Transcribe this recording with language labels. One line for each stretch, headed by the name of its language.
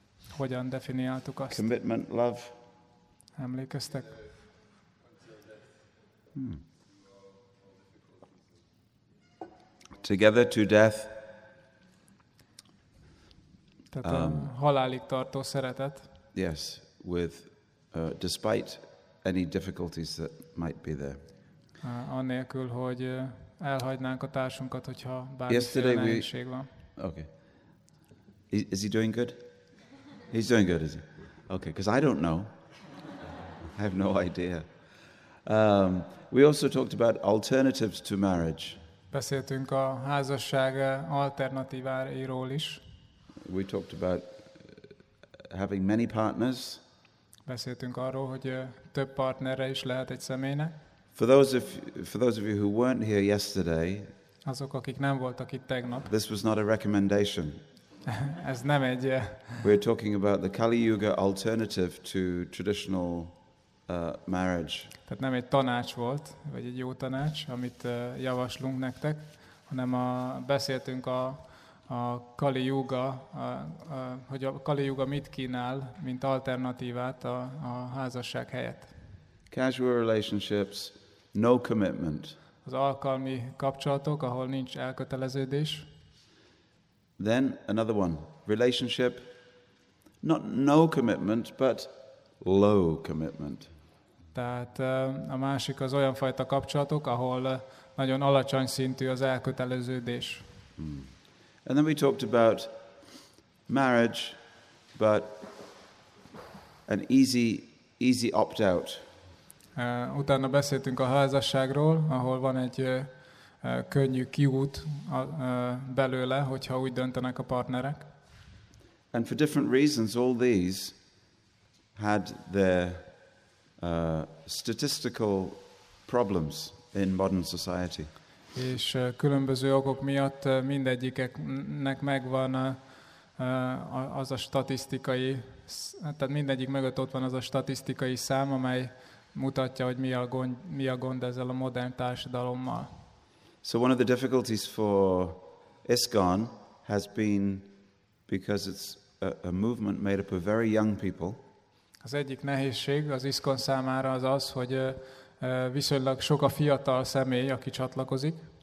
Hungarian: Hogyan definiáltuk azt?
English: Commitment love.
Hungarian: Emlékeztek?
English: Together to death.
Hungarian: Tehát a halálig tartó szeretet.
English: Yes, with despite any difficulties that might be there.
Hungarian: Anélkül, hogy elhagynánk a társunkat, hogyha bármiféle nehézség van.
English: Okay. Is he doing good? He's doing good, is he? Okay, because I don't know. I have no idea. We also talked about alternatives to marriage.
Hungarian: Beszéltünk a házasság alternatíváiról is.
English: We talked about having many partners.
Hungarian: beszéltünk arról, hogy több partnerre is lehet egy személynek.
English: For those of you who weren't here yesterday,
Hungarian: azok, akik nem voltak itt tegnap,
English: this was not a recommendation.
Hungarian: Ez nem egy.
English: We're talking about the Kali Yuga alternative to traditional marriage.
Hungarian: Tehát nem egy tanács volt, vagy egy jó tanács, amit javaslunk nektek, hanem beszéltünk a Kali Yuga, hogy a Kali Yuga mit kínál, mint alternatívát a házasság helyett.
English: Casual relationships, no commitment.
Hungarian: Az alkalmi kapcsolatok, ahol nincs elköteleződés.
English: Then another one, relationship, not no commitment, but low commitment.
Hungarian: Tehát a másik az olyan fajta kapcsolatok, ahol nagyon alacsony szintű az elköteleződés.
English: And then we talked about marriage, but an easy opt-out.
Hungarian: Utána beszéltünk a házasságról, ahol van egy könnyű kiút belőle, hogyha úgy döntenek a partnerek.
English: And for different reasons, all these had their statistical problems in modern society.
Hungarian: És különböző okok miatt mindegyiknek megvan az a statisztikai, tehát mindegyik mögött ott van az a statisztikai szám, amely mutatja, hogy mi a gond ezzel a modern társadalommal.
English: So one of the difficulties for ISKCON has been because it's a movement made up of very young people.
Hungarian: Az egyik nehézség az ISKCON számára az, hogy viszonylag sok a fiatal személy, aki csatlakozik.